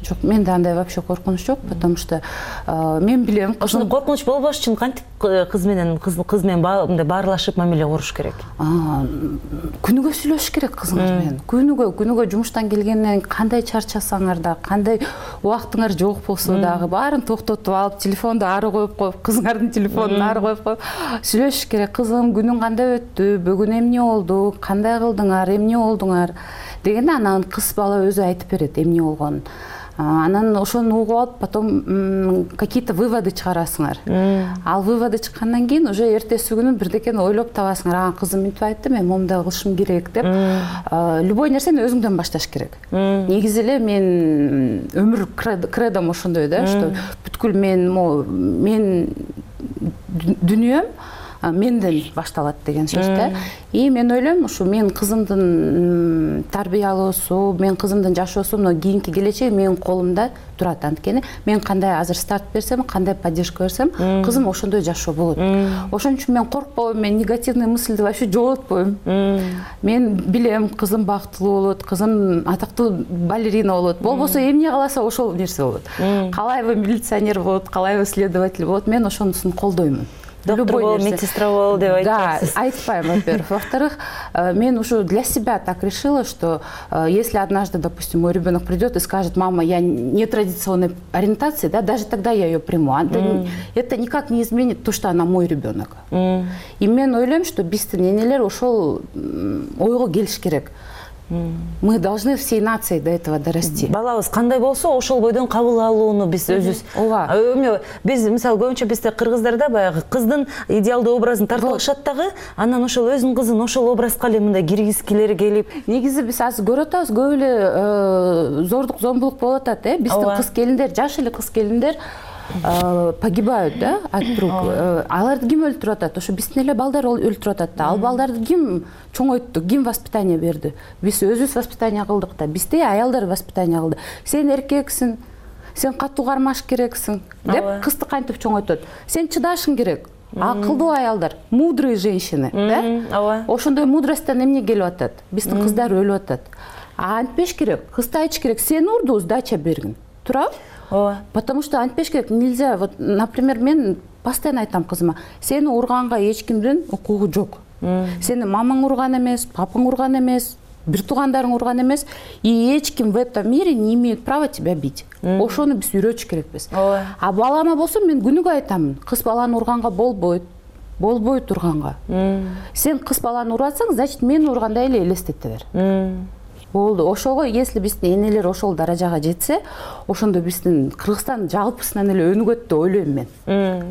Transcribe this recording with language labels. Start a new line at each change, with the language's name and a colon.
Kyrgyz: Жок, менде андай вообще коркунуч жок,
Russian: потому что
Kyrgyz: мен билем. Ошондо коркунуч болбош үчүн кантип кыз менен, кыз менен мындай баарлашып мамиле куруш керек? Күнүгө сүйлөшүш керек кызыңыз менен. Күнүгө жумуштан келгенден кандай чарчасаңар да, кандай убактыңар жок болсо дагы, баарын токтотуп алып, телефон ары коюп коюп, кызыңардын телефонун ары коюп коюп сүйлөшүш керек. Кызым, күнүң кандай өттү, бүгүн эмне болду, кандай кылдыңар, эмне болдуңар дегенде анан кыз бала өзү айтып берет эмне болгонун. Анан ошону угуп алып,
Russian: потом какие то выводы
Kyrgyz: чыгарасыңар. Ал выводы чыккандан кийин уже эртеси күнү бирдекени ойлоп табасыңар. Ага, кызым мынтип айтты, мен момундай кылышым керек деп. Любой нерсени өзүңдөн башташ керек. Негизи эле мен өмүр кредом ошондой да, что бүткүл мен дүнүйөм менден башталат деген сөз да. И мен ойлойм, ушу мен кызымдын тарбиялоосу, мен кызымдын жашоосу, мына кийинки келечеги менин колумда турат. Анткени мен кандай азыр старт берсем, кандай поддержка берсем, кызым ошондой жашоо болот. Ошон үчүн мен коркпойм, мен негативный мыслды вообще жоготпойм. Мен билем, кызым бактылуу болот, кызым атактуу балерина болот, болбосо эмне кааласа ошол нерсе болот. Калайбы милиционер болот, калайбы следователь болот, мен ошонусун колдоймун. Доктор болуп, медсестра болуп деп айтасыз.
Russian: Да, айтпайм, во-первых. Во-вторых,
Kyrgyz: мен ушу
Russian: для себя так решила, что если однажды, допустим, мой ребенок придет и скажет, мама, я не традиционной ориентации, да, даже тогда я ее приму. Это никак не изменит то, что она мой ребенок.
Kyrgyz: И мен ойлойм,
Russian: что
Kyrgyz: биздин энелер ошол ойго келиш керек.
Russian: Мы должны всей нацией до этого дорасти.
Kyrgyz: Балабыз кандай болсо ошол бойдон кабыл алууну биз өзүбүз. Ооба. Эмне биз мисалы көбүнчө бизде кыргыздарда баягы кыздын идеалдуу образын тартып алышат дагы, анан ошол өзүнүн кызын ошол образка эле мындай киргизгилери келип. Негизи биз азыр көрүп атабыз, көп эле зордук зомбулук болуп атат э. Биздин кыз келиндер, жаш эле кыз келиндер
Russian: погибают да от рук.
Kyrgyz: Аларды ким өлтүрүп атат? Ошо биздин эле балдар өлтүрүп атат да. Ал балдарды ким чоңойтту, ким воспитание берди? Биз өзүбүз воспитание кылдык да, бизди аялдар воспитание кылды. Сен эркексиң, сен катуу кармаш керексиң деп кызды кантип чоңойтот? Сен чыдашың керек. Акылдуу аялдар,
Russian: мудрые женщины
Kyrgyz: да. Ооба. Ошондой мудростьтон эмне келип атат? Биздин кыздар өлүп атат. Антпеш керек, кызды айтыш керек, сен урду, сдача бергин, туурабы? Ооба.
Russian: Потому что
Kyrgyz: антпеш керек,
Russian: нельзя.
Kyrgyz: Вот, например, мен постоянно айтам кызыма, сени урганга эч кимдин укугу жок. Сени мамаң урган эмес, папаң урган эмес, бир туугандарың урган эмес, и эч ким
Russian: в этом мире не имеет права тебя бить.
Kyrgyz: Ошону биз үйрөтүш керекпиз. Ооба. А балама болсо мен күнүгө айтам, кыз баланы урганга болбойт, болбойт урганга. Сен кыз баланы урасаң, значит мени ургандай эле элестете бер. болду. Ошого если биздин энелер ошол даражага жетсе, ошондо биздин Кыргызстан жалпысынан эле өнүгөт деп ойлойм мен.